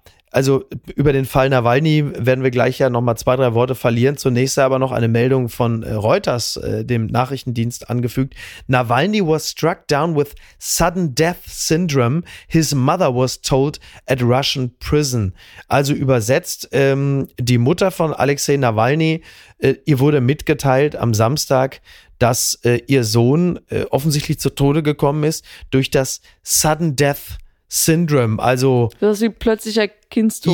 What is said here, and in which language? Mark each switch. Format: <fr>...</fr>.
<de>Also über den Fall Nawalny werden wir gleich ja nochmal 2-3 Worte verlieren. Zunächst aber noch eine Meldung von Reuters, dem Nachrichtendienst, angefügt.</de> <en>Nawalny was struck down with sudden death syndrome, his mother was told at Russian prison.</en> <de>Also übersetzt, die Mutter von Alexei Nawalny, ihr wurde mitgeteilt am Samstag, dass ihr Sohn offensichtlich zu Tode gekommen ist durch das sudden death syndrome, also. Das ist wie plötzlicher Kindstod.</de>